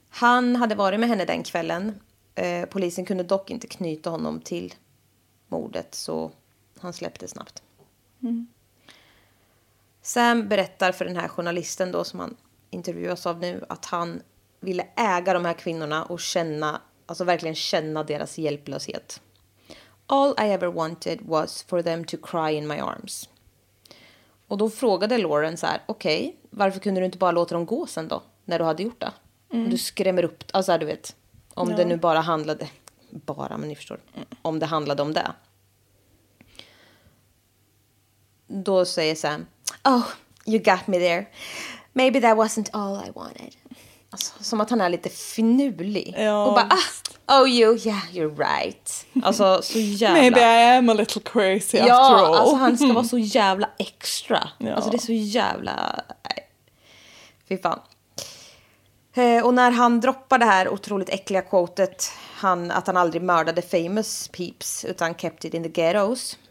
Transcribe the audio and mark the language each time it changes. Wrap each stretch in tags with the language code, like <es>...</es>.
<sv>Han hade varit med henne den kvällen. Polisen kunde dock inte knyta honom till mordet. Så han släppte snabbt. Mm. Sam berättar för den här journalisten då som han intervjuas av nu att han ville äga de här kvinnorna och känna, alltså verkligen känna deras hjälplöshet.</sv> <en>All I ever wanted was for them to cry in my arms.</en> <sv>Och då frågade Lauren så här, okej, varför kunde du inte bara låta dem gå sen då när du hade gjort det? Mm. Du skrämmer upp, alltså du vet, om, ja, det nu bara handlade, bara, men ni förstår, om det handlade om det. Då säger Sam,</sv> <en>oh, you got me there. Maybe that wasn't all I wanted.</en> <sv>Alltså, som att han är lite finurlig. Ja. Och bara, ah,</sv> <en>oh you, yeah, you're right.</en> <sv>Alltså, så jävla.</sv> <en>Maybe I am a little crazy, ja, after all. Ja,</en> <sv>alltså han ska vara så jävla extra. Ja. Alltså det är så jävla. Fy fan. Och när han droppar det här otroligt äckliga quotet, han, att han aldrig mördade</sv> <en>famous peeps,</en> <sv>utan</sv> <en>kept it in the ghettos.</en>